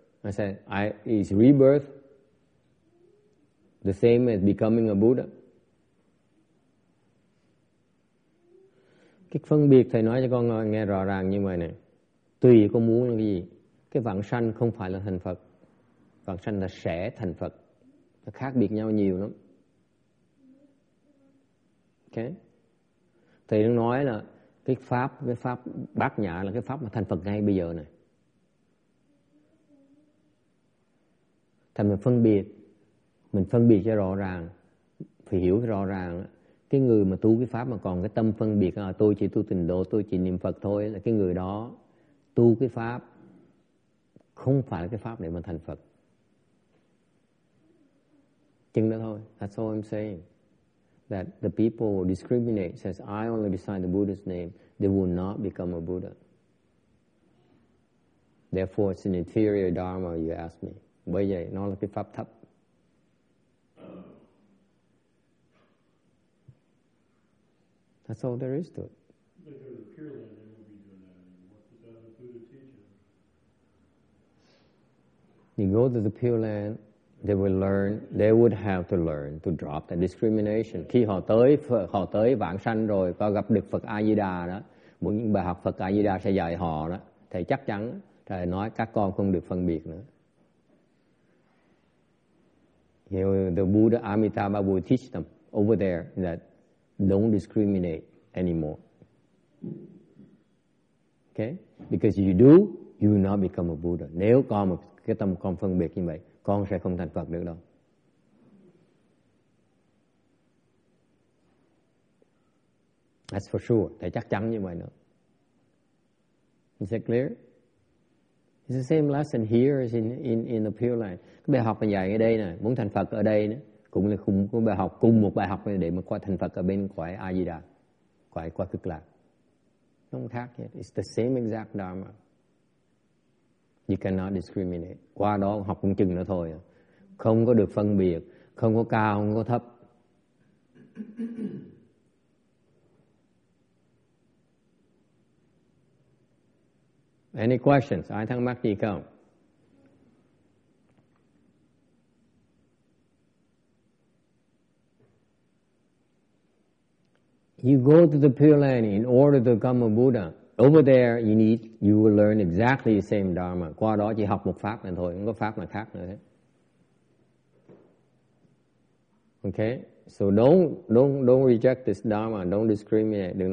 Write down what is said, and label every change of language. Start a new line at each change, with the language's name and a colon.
English: I said, is rebirth the same as becoming a Buddha?
Vietnamese: Cái phân biệt thầy nói cho con nghe rõ ràng như vậy này. Tùy con muốn là cái gì. Cái vãng sanh không phải là thành Phật. Vãng sanh là sẽ thành Phật. Nó khác biệt nhau nhiều lắm. Ok. Thầy đang nói là cái pháp bát nhã là cái pháp mà thành Phật ngay bây giờ này. Thầy mình phân biệt. Mình phân biệt cho rõ ràng. Phải hiểu rõ ràng đó. Cái người mà tu cái pháp mà còn cái tâm phân biệt là tôi chỉ tu tịnh độ, tôi chỉ niệm Phật thôi, là cái người đó tu cái pháp không phải là cái pháp để mà thành Phật. Chừng đó thôi.
English: That's all I'm saying. That the people will discriminate, says I only recite the Buddha's name, they will not become a Buddha. Therefore it's an inferior dharma, you ask me.
Vietnamese: Bởi vậy nó là cái pháp thấp.
English: That's all there is to it. You go to the Pure Land, they will learn, they would have to learn to drop the discrimination.
Vietnamese: Khi họ tới vãng sanh rồi, có gặp được Phật A-di-đà đó, muốn những bài học Phật A-di-đà sẽ dạy họ đó, thì chắc chắn Thầy nói các con không được phân biệt nữa.
English: You know, the Buddha Amitabha will teach them over there that don't discriminate anymore. Okay? Because if you do, you will not become a Buddha.
Vietnamese: Nếu con mà cái tâm con phân biệt như vậy, con sẽ không thành Phật được đâu.
English: That's for sure.
Vietnamese: Thầy chắc chắn như vậy nữa.
English: Is that clear? It's the same lesson here as in the Pure Land.
Vietnamese: Cái bài học mà dạy ở đây nè, muốn thành Phật ở đây nè, cũng là cùng một bài học, cùng một bài học để mà qua thành Phật ở bên cõi A-di-đà, cõi qua cực lạc. Không khác hết.
English: It's the same exact dharma. You cannot discriminate.
Vietnamese: Qua đó học cũng chừng nó thôi. Không có được phân biệt, không có cao, không có thấp.
English: Any questions?
Vietnamese: Ai thắc mắc gì không?
English: You go to the Pure Land in order to become a Buddha. Over there, you will learn exactly the same dharma.
Vietnamese: Qua đó chỉ học một pháp này thôi, không có pháp nào khác nữa.
English: Okay, so don't reject this dharma. Don't discriminate.